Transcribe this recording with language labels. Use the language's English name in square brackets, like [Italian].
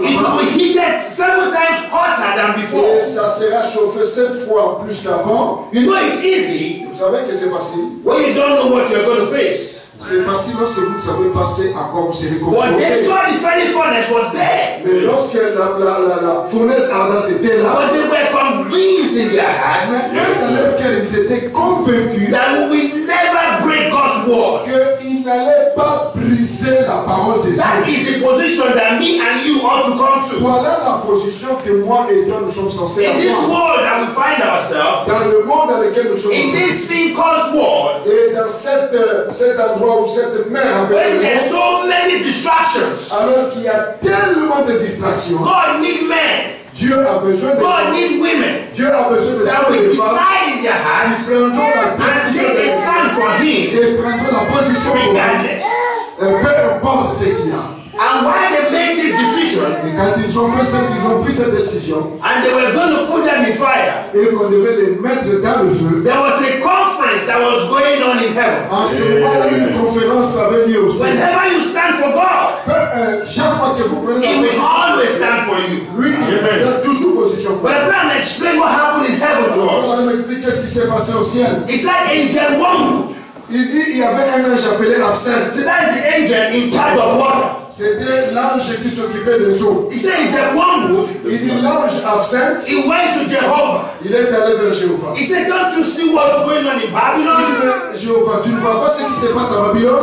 [English] It will be heated several times hotter than before. [French] Et ça sera chauffé sept fois plus qu'avant. [English] You know it's easy. [French] Vous savez que c'est facile. [English] When you don't know what you're going to face. [French] C'est facile lorsque vous ne savez pas à quoi vous serez confronté. [English] But they saw the fiery furnace was there. [French] Mais lorsque la fournaise ardente était là. [English] But they were convinced in their hearts. [French] Mais alors qu'ils étaient convaincus. [English] That we will never break God's word. [French] Qu'ils n'allaient pas briser la parole de [English] that [French] Dieu. [English] That is the position that me and you ought to come to. [French] Voilà la position que moi et toi nous sommes censés avoir. [English] In this world that we find ourselves. [French] Dans le monde dans lequel nous sommes. [English] In this sin caused world. [French] Et dans cette [English] there's so many distractions. [French] Alors qu'il y a tellement de distractions. [English] God needs men. [French] Dieu a besoin de [English] God needs women. [French] Dieu a besoin de [English] that will decide in their hearts. [French] Ils prendront la décision [English] and they stand for him. [French] Et prendront la position [English] regardless. [French] Et peu importe ce qu'il y a. [English] And while they made this decision. [French] Et quand ils ont fait cette, ils ont pris cette décision. [English] And they were going to put them in fire. [French] Et qu'on devait les mettre dans le feu. [English] There was a conference that was going on in heaven. [French] En ce moment-là, une conférence avait lieu aussi. [English] Whenever you stand for God. [French] Chaque fois que vous prenez la position. [English] He will always stand for you. [French] Lui, il a toujours position pour vous. [English] But Abraham explained what happened in heaven to us. [French] Abraham expliquait ce qui s'est passé au ciel. [English] It's like angel wormwood. [French] Il dit il y avait un ange appelé l'absinthe. [English] So that is the angel in charge of water. [French] C'était l'ange qui s'occupait des eaux. [English] He said in chapter 1, [French] il dit l'ange absinthe. [English] He went to Jehovah. [French] Il est allé vers Jéhovah. [English] He said, don't you see what's going on in Babylon? [French] Il dit Jéhovah, tu ne vois pas ce qui se passe à Babylone?